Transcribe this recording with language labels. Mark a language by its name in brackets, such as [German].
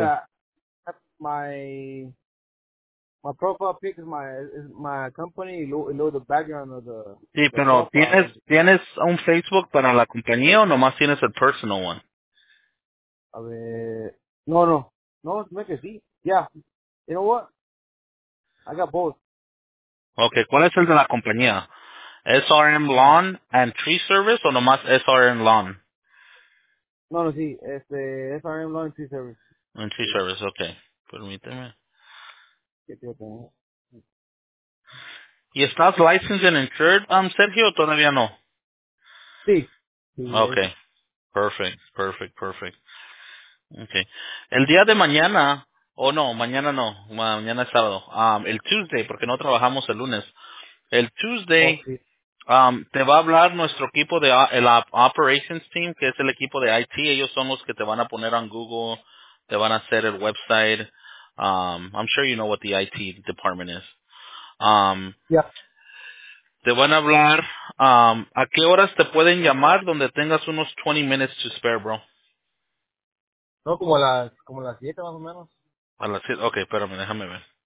[English] O sea, my profile pic is my company, low the background of the... [Spanish] Sí, pero [English] the [Spanish] ¿tienes un Facebook para la compañía o nomás tienes el personal one? [English] A ver, no. No, me que sí. Yeah, you know what? I got both. [Spanish] Okay, ¿cuál es el de la compañía? SRM Lawn and Tree Service o nomás SRM Lawn? No, sí, SRM Lawn and Tree Service. And Tree Service, okay. Permíteme. ¿Y estás licensed and insured, Sergio, o todavía no? Sí. [English] Okay, perfect. Okay. [Spanish] El día de mañana, no, mañana no, mañana es sábado, el Tuesday, porque no trabajamos el lunes. El Tuesday, [English] Okay. [Spanish] te va a hablar nuestro equipo de el Operations Team, que es el equipo de IT. Ellos son los que te van a poner en Google, te van a hacer el website. [English] I'm sure you know what the IT department is. [Spanish] Te van a hablar, ¿a qué horas te pueden llamar donde tengas unos 20 minutes to spare, bro? No, como las 7 más o menos. A las 7, ok, espérame, déjame ver.